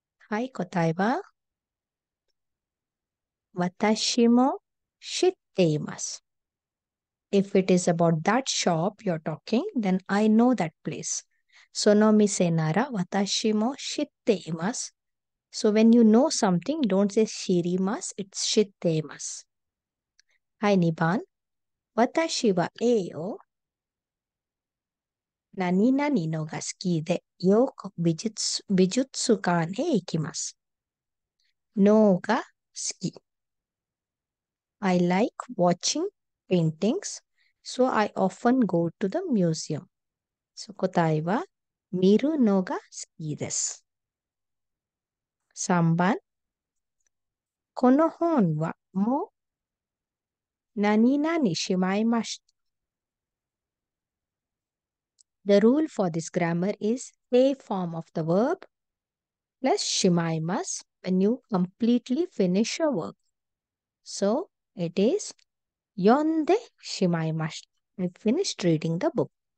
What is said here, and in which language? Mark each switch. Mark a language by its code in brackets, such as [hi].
[ja] はい、答えは、私も知っています。 [en] If it is about that shop you're talking, then I know that place. [ja] その店なら私も知っています。 [en] So when you know something, don't say [ja] 知ります、 [en] it's [ja] 知っています。はい、2番。私は何々のが好きで、よく美術館へ行きます。のが好き。 [en] I like watching paintings, so I often go to the museum. [ja] So 答えは、見るのが好きです。3番。この本はもう何々しまいました。 [en] The rule for this grammar is a form of the verb plus shimaimasu when you completely finish your work. So it is [ja] yonde shimaimashita. [en] I finished reading the book.